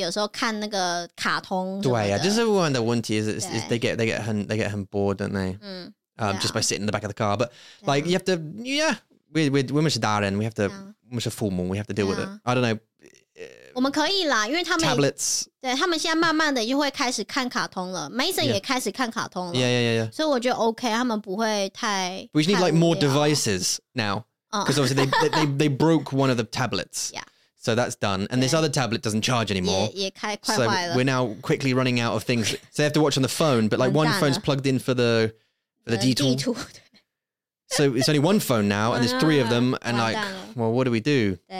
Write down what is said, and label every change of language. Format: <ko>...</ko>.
<zh>他们就会很无聊，有时候会睡着，有时候吃东西，有时候看那个卡通。对呀，就是我们的问题</zh> <en>is they get bored, don't they? Just by sitting in the back of the car, but like you have to, we're much darling, we have to, much a full moon, we have to deal with it. I don't know.</en> <zh>我们可以啦，因为他们</zh> <en>tablets，</en> <zh>对他们现在慢慢的就会开始看卡通了 ，Mason 也开始看卡通了</zh> <en>，Yeah，</en> <zh>所以我觉得 OK， 他们不会太</zh> <en>We need like more devices now， because obviously they broke one of the tablets， so that's done， and this other tablet doesn't charge anymore，</en> <zh>也快坏了</zh> <en>，so we're now quickly running out of things， so they have to watch on the phone， but like one phone's plugged in for the D-tool， so it's only one phone now, and there's three of them, and like, well, what do we do?</en>